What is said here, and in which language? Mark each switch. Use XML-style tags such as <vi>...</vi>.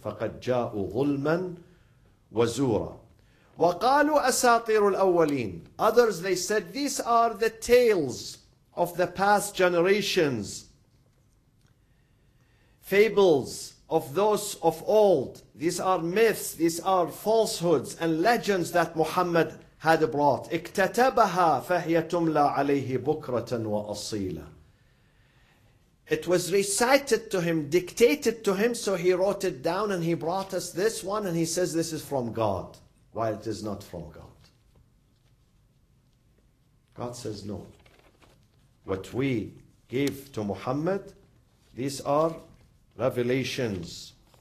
<ar>فَقَدْ جَاءُوا ظُلْمًا وَزُورًا. وَقَالُوا أَسَاطِيرُ الْأَوَّلِينَ.</ar> <en>Others, they said, these are the tales of the past generations. Fables of those of old. These are myths, these are falsehoods and legends that Muhammad had brought.</en> <ar>اكتتبها فهي تملى عليه بكرة وأصيلة.</ar> <en>It was recited to him, dictated to him, so he wrote it down and he brought us this one and he says this is from God, while it is not from God. God says no. What we gave to Muhammad, these are revelations.</en>